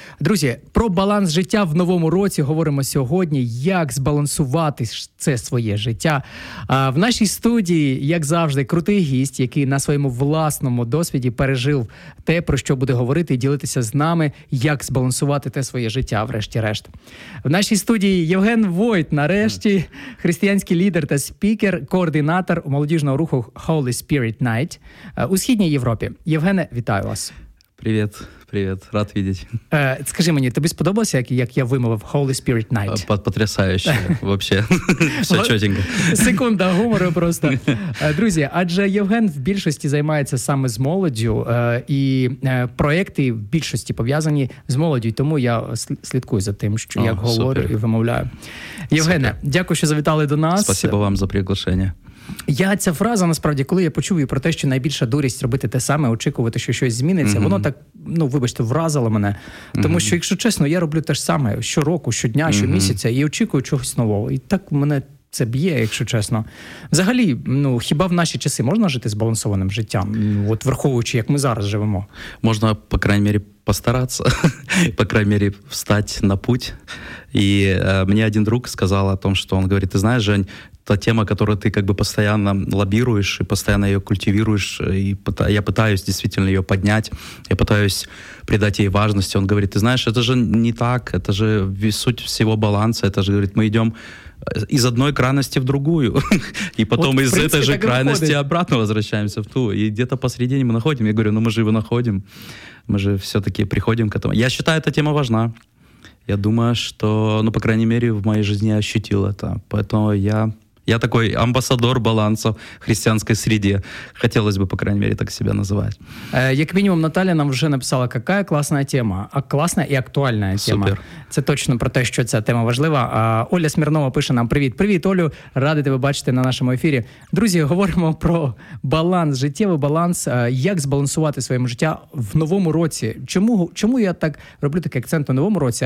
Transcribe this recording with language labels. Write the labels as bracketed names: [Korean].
[Ukrainian] Друзі, про баланс життя в новому році говоримо сьогодні, як збалансувати це своє життя. В нашій студії, як завжди, крутий гість, який на своєму власному досвіді пережив те, про що буде говорити і ділитися з нами, як збалансувати те своє життя, врешті-решт. В нашій студії Євген Войт, нарешті, християнський лідер та спікер, координатор молодіжного руху Holy Spirit Night у Східній Європі. Євгене, вітаю вас. Привіт. Привіт, [Russian] рад видеть. [Ukrainian] Скажи мені, тобі сподобалося, як я вимовив Holy Spirit Night? [Russian] Потрясающе, вообще, все чётенько. [Ukrainian] Секунда гумору просто. Друзі, адже Євген в більшості займається саме з молоддю, і проекти в більшості пов'язані з молоддю, тому я слідкую за тим, що як говорю і вимовляю. Євгене, дякую, що завітали до нас. [Russian] Спасибо вам за приглашення. [Ukrainian] Я ця фраза, насправді, коли я почув її про те, що найбільша дурість робити те саме, очікувати, що щось зміниться, воно так, вибачте, вразило мене. Тому що, якщо чесно, я роблю те ж саме щороку, щодня, щомісяця, і очікую чогось нового. І так мене це б'є, якщо чесно. Взагалі, хіба в наші часи можна жити збалансованим життям? От враховуючи, як ми зараз живемо. Можна, по крайній мірі, постаратися, по крайній мірі, встати на путь. І мені один друг сказав о том, що він говорить, ти знаєш, Жень, та тема, [Russian] которую ты как бы постоянно лоббируешь и постоянно ее культивируешь, и я пытаюсь действительно ее поднять, я пытаюсь придать ей важность. Он говорит, ты знаешь, это же не так, это же суть всего баланса, это же, говорит, мы идем из одной крайности в другую, и потом вот, из принципе, этой же крайности обратно возвращаемся в ту, и где-то посередине мы находим. Я говорю, мы же его находим, мы же все-таки приходим к этому. Я считаю, эта тема важна. Я думаю, что, по крайней мере, в моей жизни я ощутил это. Поэтому я такой амбасадор баланса в христианской среде. Хотелось бы, по крайней мере, так себя называть. [Ukrainian] Як мінімум, Наталя нам вже написала, [Russian] какая [Ukrainian] класна тема. А класна і актуальна тема. Супер. Це точно про те, що ця тема важлива. А Оля Смірнова пише нам привіт. Привіт, Олю. Радий тебе бачити на нашому ефірі. Друзі, говоримо про баланс, життєвий баланс. Як збалансувати своє життя в новому році? Чому я так роблю такий акцент у новому році?